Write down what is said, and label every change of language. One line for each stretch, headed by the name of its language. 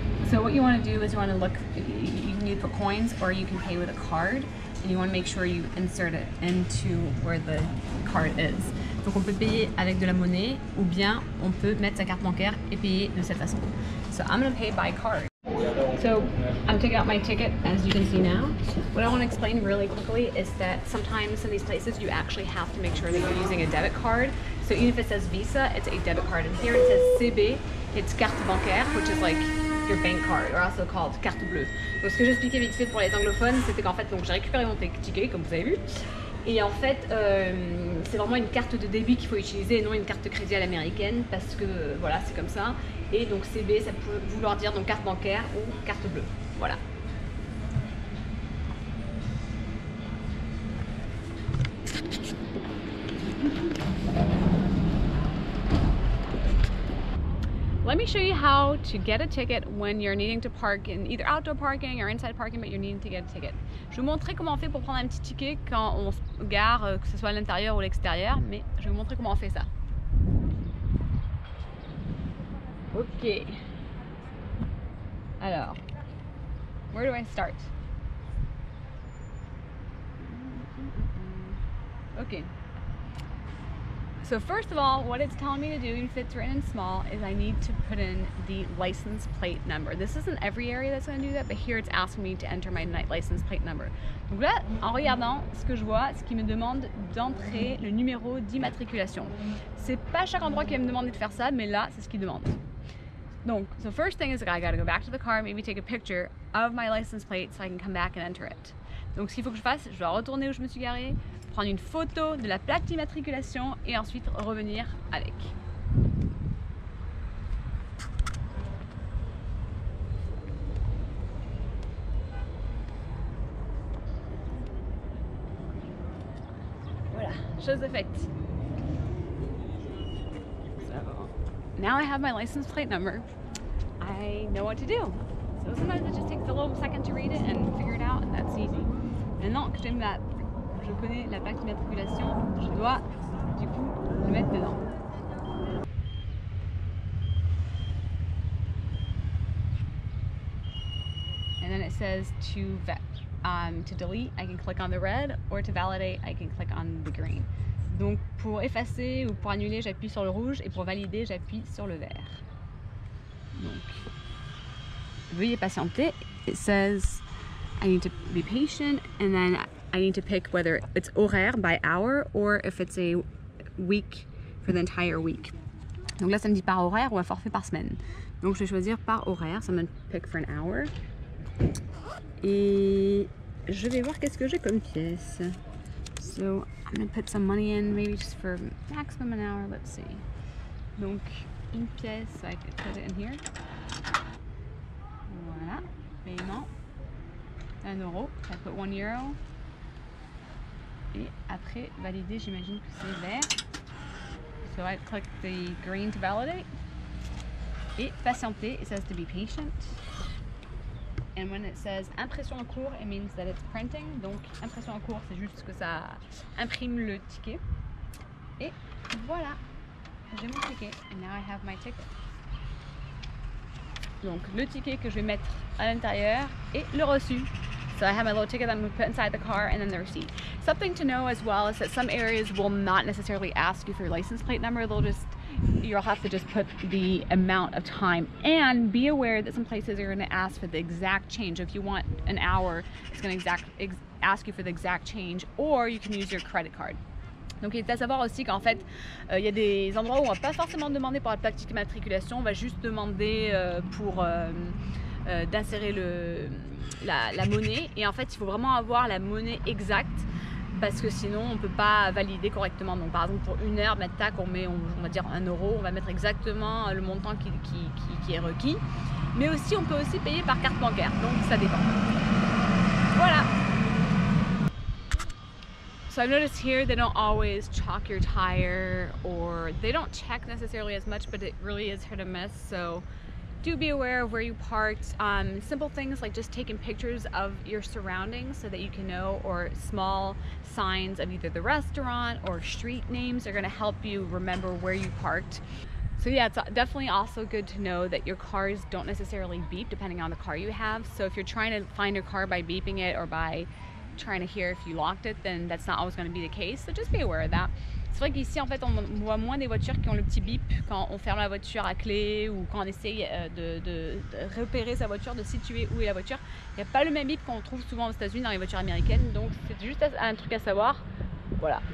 English: So what you want to do is you want to look, you can either put coins or you can pay with a card, and you want to make sure you insert it into where the card is.
French: Donc on peut payer avec de la monnaie ou bien on peut mettre sa carte bancaire et payer de cette façon.
English: So I'm going to pay by card. So I'm taking out my ticket, as you can see now. What I want to explain really quickly is that sometimes in these places you actually have to make sure that you're using a debit card. So even if it says Visa, it's a debit card. And here it says CB, it's carte bancaire, which is like your bank card, or also called carte bleue.
French: Donc ce que j'expliquais vite fait pour les anglophones, c'était qu'en fait, donc j'ai récupéré mon ticket, comme vous avez vu. Et en fait, c'est vraiment une carte de débit qu'il faut utiliser et non une carte de crédit à l'américaine parce que voilà, c'est comme ça. Et donc CB, ça peut vouloir dire donc carte bancaire ou carte bleue. Voilà.
English: Let me show you how to get a ticket when you're needing to park in either outdoor parking or inside parking, but you're needing to get a ticket.
French: Je vais vous montrer comment on fait pour prendre un petit ticket quand on se gare, que ce soit à l'intérieur ou à l'extérieur, mais je vais vous montrer comment on fait ça.
English: Ok.
French: Alors,
English: where do I start? Ok. So first of all, what it's telling me to do, if it's written in small, is I need to put in the license plate number. This isn't every area that's going to do that, but here it's asking me to enter my license plate number.
French: Donc là, en regardant, ce que je vois, c'est qu'il me demande d'entrer le numéro d'immatriculation. C'est pas chaque endroit qui va me demander de faire ça, mais là, c'est ce qu'il demande. Donc,
English: so first thing is I gotta go back to the car, maybe take a picture of my license plate so I can come back and enter it.
French: Donc ce qu'il faut que je fasse, je dois retourner où je me suis garée, prendre une photo de la plaque d'immatriculation et ensuite revenir avec. Voilà, chose de faite.
English: So, now I have my license plate number. I know what to do. So sometimes it just takes a little second to read it and figure it out, and that's easy.
French: Maintenant que j'aime la, je connais la plaque d'immatriculation, je dois du coup le mettre dedans.
English: And then it says to delete, I can click on the red, or to validate, I can click on the green.
French: Donc pour effacer ou pour annuler, j'appuie sur le rouge, et pour valider, j'appuie sur le vert. Donc, veuillez patienter.
English: It says I need to be patient, and then I need to pick whether it's
French: horaire
English: by hour or if it's a week for the entire week.
French: Donc là, ça me dit par horaire ou un forfait par semaine. Donc je vais choisir par horaire.
English: So I'm going to pick for an hour.
French: Et je vais voir qu'est-ce que j'ai comme pièce.
English: So So I'm gonna put some money in, maybe just for maximum an hour. Let's see.
French: Donc, une pièce,
English: I could put it in here.
French: Voilà, paiement. Un euro,
English: I put 1 euro.
French: Et après, valider, j'imagine que c'est vert.
English: So I click the green to validate.
French: Et patienter,
English: it says to be patient. And when it says
French: impression en cours,
English: it means that it's printing.
French: Donc impression en cours, c'est juste que ça imprime le ticket. Et voilà, j'ai mon ticket.
English: And now I have my ticket.
French: Donc le ticket que je vais mettre à l'intérieur et le reçu.
English: So I have my little ticket that I'm going to put inside the car and then the receipt. Something to know as well is that some areas will not necessarily ask you for your license plate number. They'll just, you'll have to just put the amount of time. And be aware that some places are going to ask for the exact change. If you want an hour, it's going to ask you for the exact change, or you can use your credit card.
French: Donc il faut savoir aussi qu'en fait, il y a des endroits où on va pas forcément demander pour la plaque d'immatriculation, on va juste demander pour d'insérer la monnaie. Et en fait, il faut vraiment avoir la monnaie exacte, parce que sinon on ne peut pas valider correctement. Donc par exemple, pour une heure, ben, tac, on va dire 1 euro, on va mettre exactement le montant qui est requis. Mais aussi, on peut aussi payer par carte bancaire, donc ça dépend. Voilà.
English: So I've noticed here they don't always chalk your tire, or they don't check necessarily as much, but it really is hit or miss. So do be aware of where you parked. Simple things like just taking pictures of your surroundings so that you can know, or small signs of either the restaurant or street names are going to help you remember where you parked. So yeah, it's definitely also good to know that your cars don't necessarily beep depending on the car you have. So if you're trying to find your car by beeping it or by trying to hear if you locked it, then that's not always going to be the case. So just be aware of that.
French: C'est vrai qu'ici, en fait, on voit moins des voitures qui ont le petit bip quand on ferme la voiture à clé ou quand on essaye de repérer sa voiture, de situer où est la voiture. Il n'y a pas le même bip qu'on trouve souvent aux États-Unis dans les voitures américaines. Donc, c'est juste un truc à savoir. Voilà.